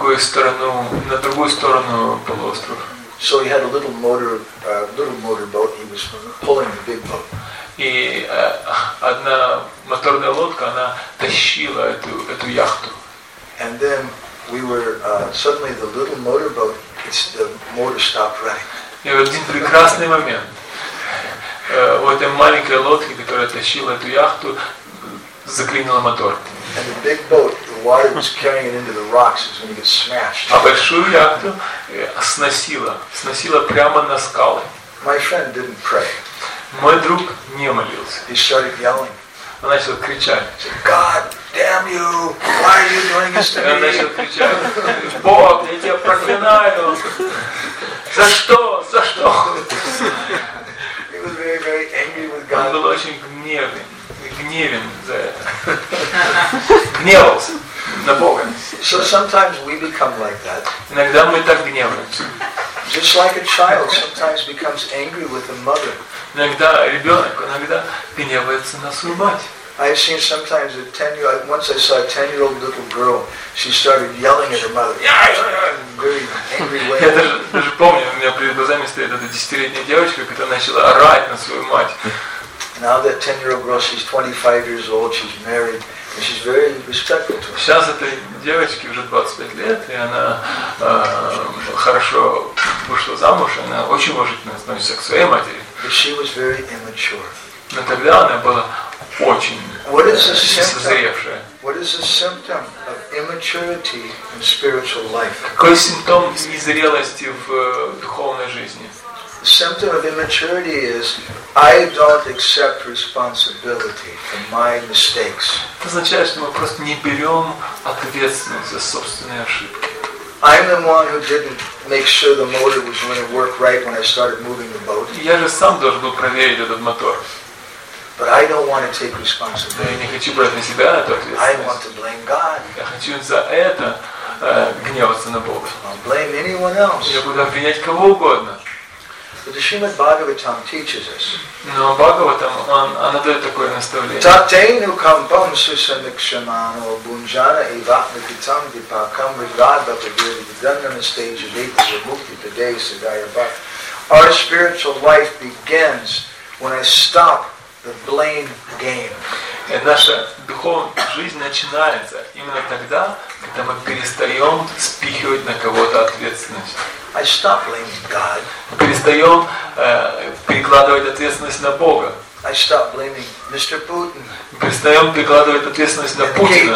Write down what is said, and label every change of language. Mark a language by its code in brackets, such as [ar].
[ru] На другую сторону полуостров. [en] So he had a little motor boat. He was pulling the big boat. [ru] И одна моторная лодка, она тащила эту яхту. [en] And then we were suddenly the little motor boat. It's the motor stopped running. [ru] И в один прекрасный момент у этой маленькой лодки, которая тащила эту яхту, заклинила мотор. [en] And the big boat, the water was carrying it into the rocks. It was going to get smashed. [ru] А большую яхту сносила прямо на скалы. [en] My friend didn't pray. [ru] Мой друг не молился. [en] He started yelling. [ru] Он начал кричать. [en] He said, God damn you! Why are you doing this to me? [ru] Он начал кричать. Бог, я тебя проклинаю! За что? [en] He was very, very angry with God. [ru] Он был очень гневен за это. Гневался на Бога. [en] So sometimes we become like that. [ru] Иногда мы так гневаемся. [en] Just like a child sometimes becomes angry with a mother. [ru] Иногда ребенок иногда гневается на свою мать. [en] I've seen sometimes a 10-year-old. Once I saw a 10-year-old little girl. She started yelling at her mother. Yeah, very angry way. [ru] Я даже помню, у меня перед глазами стоит эта 10-летняя девочка, которая начала орать на свою мать. [en] Now that 10-year-old girl, she's 25 years old. She's married. She's very respectful to her. [ru] Сейчас этой девочке уже 25 лет, и она хорошо вышла замуж, она очень уважительно относится к своей матери. [en] But she was very immature. [ru] Но тогда она была очень созревшая. [en] What is a symptom of immaturity in spiritual life? [ru] Какой симптом незрелости в духовной жизни? [en] The symptom of immaturity is I don't accept responsibility for my mistakes. [ru] Это означает, что мы просто не берем ответственность за собственные ошибки. [en] I'm the one who didn't make sure the motor was going to work right when I started moving the boat. [ru] Я же сам должен был проверить этот мотор. [en] But I don't want to take responsibility. [ru] Я не хочу брать на себя эту ответственность. [en] I want to blame God. [ru] Я хочу за это гневаться на Бога. [en] I'll blame anyone else. [ru] Я буду обвинять кого угодно. [en] But the Srimad Bhagavatam teaches us. [ru] Но Бхагаватам, она дает такое наставление. Tatenu kampam susamikshamano bunjana evatmikitam dipakam vidvadvapagiri vidandana stage of ekra mukti today sadaya bhakti. [en] Our spiritual life begins when I stop the blame game. [ru] И наша духовная жизнь начинается именно тогда, когда мы перестаем спихивать на кого-то ответственность. [en] I stop blaming God. [ru] Мы перестаем перекладывать ответственность на Бога. [en] I stop blaming Mr. Putin. [ru] Мы перестаем перекладывать ответственность на Путина,